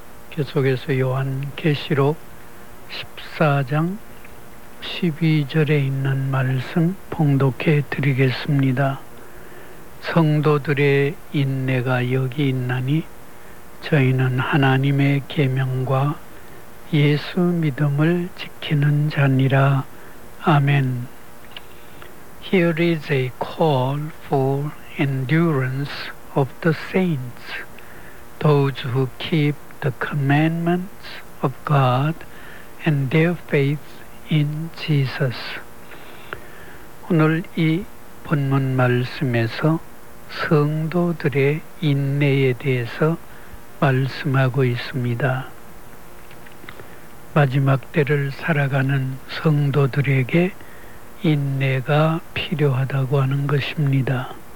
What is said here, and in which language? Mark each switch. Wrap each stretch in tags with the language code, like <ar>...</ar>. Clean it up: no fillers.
<ko>계속해서 요한 계시록 14장 12절에 있는 말씀 봉독해 드리겠습니다. 성도들의 인내가 여기 있나니 저희는 하나님의 계명과 예수 믿음을 지키는 자니라. 아멘.</ko> <en>Here is a call for endurance of the saints, those who keep the commandments of God and their faith in Jesus.</en> <ko>오늘 이 본문 말씀에서 성도들의 인내에 대해서 말씀하고 있습니다. 마지막 때를 살아가는 성도들에게 인내가 필요하다고 하는 것입니다.</ko>